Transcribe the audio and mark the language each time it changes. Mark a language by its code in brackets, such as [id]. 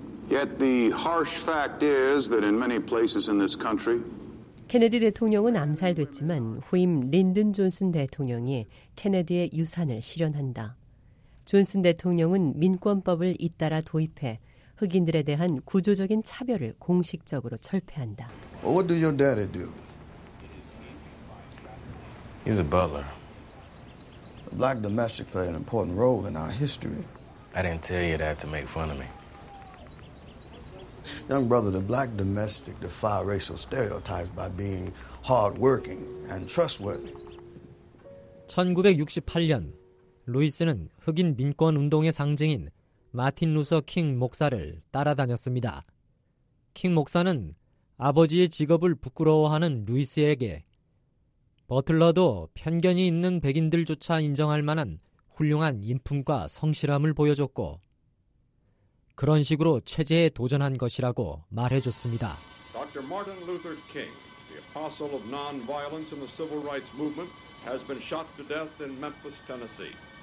[en] Yet the harsh fact is that in many places in this country [ko] 케네디 대통령은 암살됐지만 후임 린든 존슨 대통령이 케네디의 유산을 실현한다. 존슨 대통령은 민권법을 잇따라 도입해 흑인들에 대한 구조적인 차별을 공식적으로 철폐한다. [en] What do your daddy do? He's a butler. A black domestic played an important role in our history. I didn't tell you that to make fun of me. Young brother, the black domestic defy racial stereotypes by being hardworking and trustworthy. [ko] 1968년, 루이스는 흑인 민권 운동의 상징인 마틴 루서 킹 목사를 따라다녔습니다. 킹 목사는 아버지의 직업을 부끄러워하는 루이스에게 버틀러도 편견이 있는 백인들조차 인정할 만한 훌륭한 훌륭한 인품과 성실함을 보여줬고 그런 식으로 체제에 도전한 것이라고 말해줬습니다. [en] Dr. Martin Luther King, the apostle of non-violence in the civil rights movement, has been shot to death in Memphis, Tennessee.